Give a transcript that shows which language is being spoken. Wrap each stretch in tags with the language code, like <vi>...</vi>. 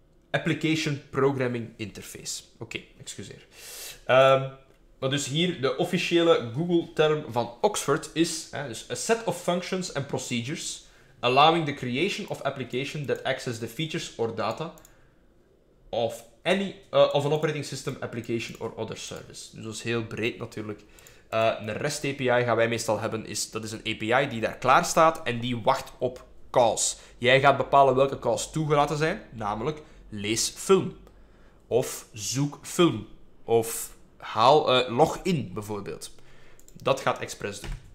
<nl>Application Programming Interface. Oké, excuseer. Maar dus hier, de officiële Google-term van Oxford is...</nl> <en>hè, dus a set of functions and procedures allowing the creation of application that access the features or data of any of an operating system, application or other service.</en> <nl>Dus dat is heel breed natuurlijk. Een REST API gaan wij meestal hebben. Dat is een API die daar klaar staat en die wacht op calls. Jij gaat bepalen welke calls toegelaten zijn. Namelijk, lees film. Of zoek film. Of... haal log in, bijvoorbeeld. Dat gaat Express doen.</nl>